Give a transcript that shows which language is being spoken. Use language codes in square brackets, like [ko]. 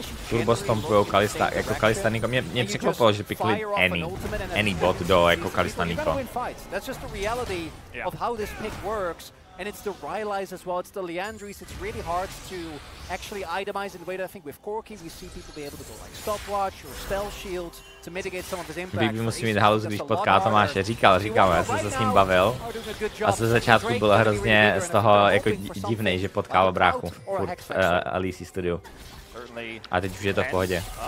[cs] Turbo stompujou Kalista, jako Kalista Niko. Mě překvapilo, že pikli any bot do jako Kalista Niko. [en] That's just the reality of how this pick works. And it's the Rylai's as well, it's the Liandry's, it's really hard to actually itemize in the way that I think with Corki we see people be able to go like stopwatch or spell shield to mitigate some of his impact. [cs] BB musí mít halus, když potká Tomáše, říkal, já jsem se s ním bavil a ze začátku bylo hrozně z toho jako divnej, že potkal bráchu furt Alisi Studio. A teď už je to v pohodě.